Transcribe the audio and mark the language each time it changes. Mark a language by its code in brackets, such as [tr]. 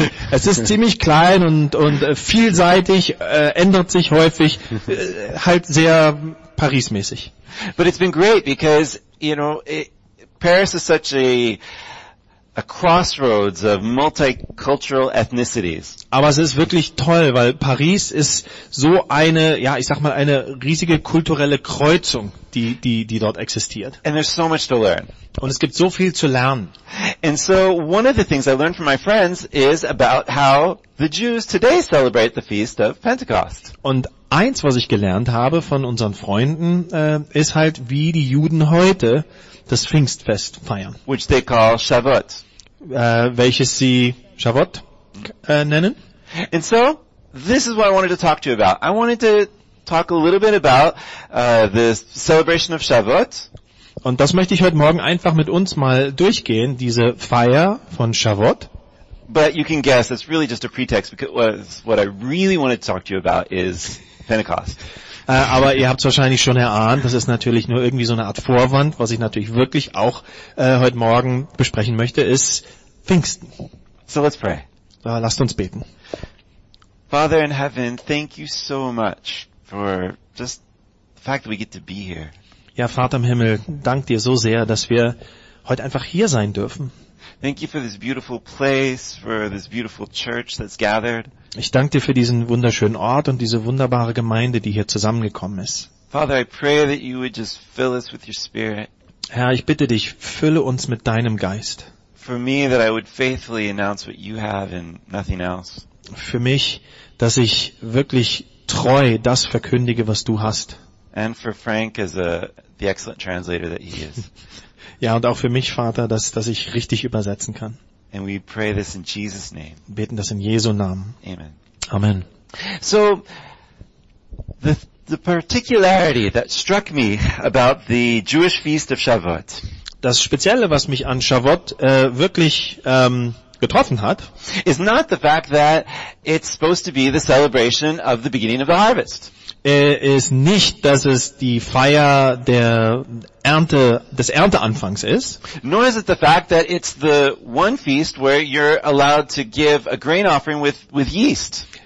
[de] es ist ziemlich klein und vielseitig, ändert sich häufig, halt sehr Paris-mäßig. [en] But it's been great because, you know, Paris is such a crossroads of multicultural ethnicities. [de] Aber es ist wirklich toll, weil Paris ist so eine, ja, ich sag mal, eine riesige kulturelle Kreuzung, die dort existiert. [en] And there's so much to learn. [de] Und es gibt so viel zu lernen. [en] And so one of the things I learned from my friends is about how the Jews today celebrate the feast of Pentecost. [de] Und eins, was ich gelernt habe von unseren Freunden, ist halt, wie die Juden heute das Pfingstfest feiern. [en] Which they call Shavuot. [de] Welches sie Shavuot nennen. [en] And so, this is what I wanted to talk to you about. I wanted to talk a little bit about the celebration of Shavuot. [de] Und das möchte ich heute Morgen einfach mit uns mal durchgehen, diese Feier von Shavuot. [en] But you can guess, it's really just a pretext, because what I really wanted to talk to you about is Pentecost. [de] Aber ihr habt es wahrscheinlich schon erahnt, das ist natürlich nur irgendwie so eine Art Vorwand. Was ich natürlich wirklich auch heute Morgen besprechen möchte, ist Pfingsten. [en] So let's pray. [de] Lasst uns beten. [en] Father in heaven, thank you so much for just the fact that we get to be here. [de] Ja, Vater im Himmel, dank dir so sehr, dass wir heute einfach hier sein dürfen. [en] Thank you for this beautiful place, for this beautiful church that's gathered. [de] Ich danke dir für diesen wunderschönen Ort und diese wunderbare Gemeinde, die hier zusammengekommen ist. [en] Father, I pray that you would just fill us with your spirit. [de] Herr, ich bitte dich, fülle uns mit deinem Geist. [en] For me, that I would faithfully announce what you have and nothing else. [de] Für mich, dass ich wirklich treu das verkündige, was du hast. [en] And for Frank as the excellent translator that he is. [de] Ja, und auch für mich, Vater, dass ich richtig übersetzen kann. [en] And we pray this in Jesus' name. [de] Beten das in Jesu Namen. [en] Amen. [de] Amen. [en] So, the particularity that struck me about the Jewish feast of Shavuot. [de] Das Spezielle, was mich an Shavuot wirklich getroffen hat, [en] is not the fact that it's supposed to be the celebration of the beginning of the harvest. [de] Ist nicht, dass es die Feier der Ernte, des Ernteanfangs ist. [en] Nor is it the fact that it's the one feast where you're allowed to give a grain offering with yeast.